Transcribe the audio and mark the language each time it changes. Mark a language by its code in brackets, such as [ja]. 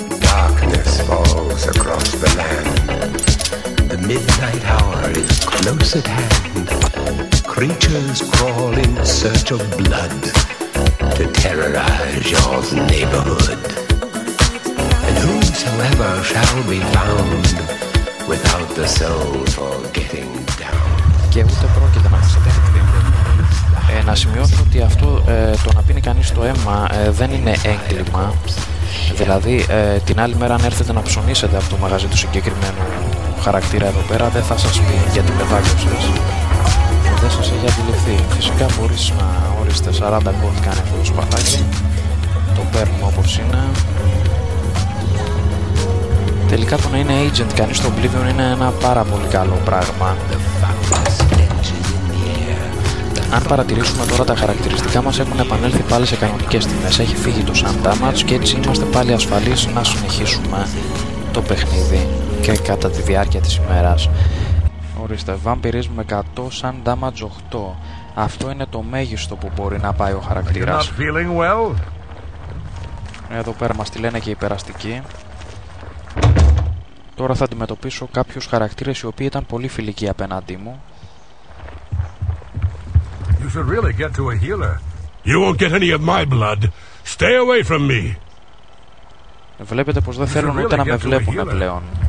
[en] Darkness falls across the land. The midnight hour is close at hand. Creatures crawl in search of blood to terrorize your neighborhood. And whosoever shall be found without the soul for getting down. [el] Και ούτε πρόκειται να ξεχνάμε. Να σημειώσω ότι αυτό το να πίνει κανείς το αίμα δεν είναι έγκλημα. Δηλαδή την άλλη μέρα αν έρθετε να ψωνίσετε από το μαγαζί του συγκεκριμένου χαρακτήρα εδώ πέρα δεν θα σας πει γιατί με δάγκωσες. Δεν σας έχει αντιληφθεί. Φυσικά μπορείς να ορίσετε 40 gold κάνει αυτό το σπαθάκι. Το παίρνουμε όπως είναι. Τελικά το να είναι agent κανείς στο Oblivion είναι ένα πάρα πολύ καλό πράγμα. Αν παρατηρήσουμε τώρα τα χαρακτηριστικά μας έχουν επανέλθει πάλι σε κανονικές τιμές. Έχει φύγει το sun damage και έτσι είμαστε πάλι ασφαλείς να συνεχίσουμε το παιχνίδι και κατά τη διάρκεια της ημέρας. Ορίστε, Vampirism 100, Sun Damage 8. Αυτό είναι το μέγιστο που μπορεί να πάει ο χαρακτήρας. Εδώ πέρα μας τη λένε και οι περαστικοί. Τώρα θα αντιμετωπίσω κάποιους χαρακτήρες οι οποίοι ήταν πολύ φιλικοί απέναντί μου. [en] You should really get to a healer. You won't get any of my blood. Stay away from me. [el] Βλέπετε πως δεν θέλουν ούτε να με βλέπουν πλέον.